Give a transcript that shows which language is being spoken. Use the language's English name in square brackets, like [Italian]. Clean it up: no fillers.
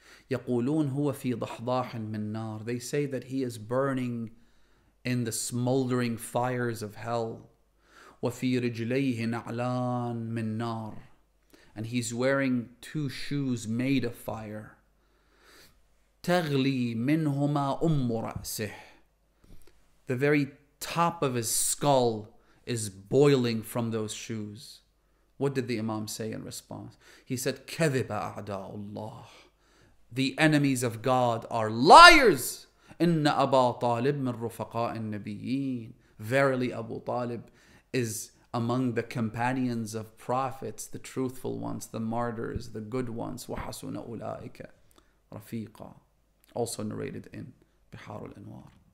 [Arabic] يقولون هو في ضحضاح من نار. [English] They say that he is burning in the smoldering fires of hell. [Arabic] وفي رجليه نعلان من نار. [English] And he's wearing two shoes made of fire. [Arabic] تغلي منهما أم رأسه. [English] The very top of his skull is boiling from those shoes. What did the Imam say in response? He said, [Arabic] كذب أعداء الله. [English] The enemies of God are liars. [Arabic] Inna Abu Talib min rufaqa'i an-nabiyyin. [English] Verily Abu Talib is among the companions of prophets, the truthful ones, the martyrs, the good ones. [Arabic] Wa hasuna ulaika rafiqa. [English] Also narrated in Bihar al-Anwar.